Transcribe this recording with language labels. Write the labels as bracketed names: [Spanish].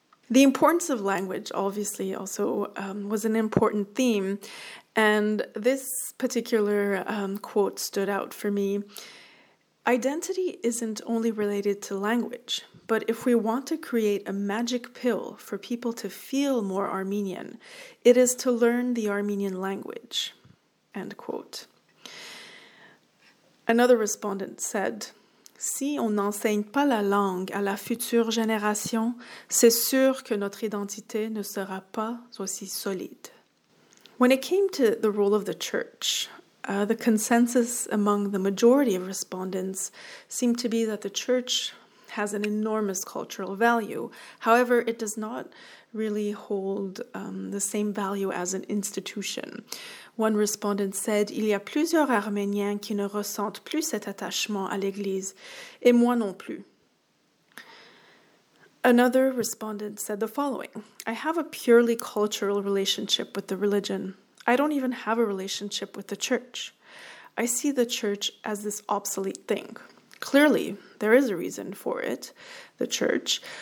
[English] The importance of language obviously also was an important theme, and this particular quote stood out for me. "Identity isn't only related to language, but if we want to create a magic pill for people to feel more Armenian, it is to learn the Armenian language," end quote. Another respondent said, [French] "Si on n'enseigne pas la langue à la future génération, c'est sûr que notre identité ne sera pas aussi solide." [English] When it came to the role of the church, the consensus among the majority of respondents seemed to be that the church has an enormous cultural value. However, it does not really hold the same value as an institution. One respondent said, [French] "Il y a plusieurs Arméniens qui ne ressentent plus cet attachement à l'Église, et moi non plus." [English] Another respondent said the following, "I have a purely cultural relationship with the religion. I don't even have a relationship with the church. I see the church as this obsolete thing. Clearly, there is a reason for it, the church.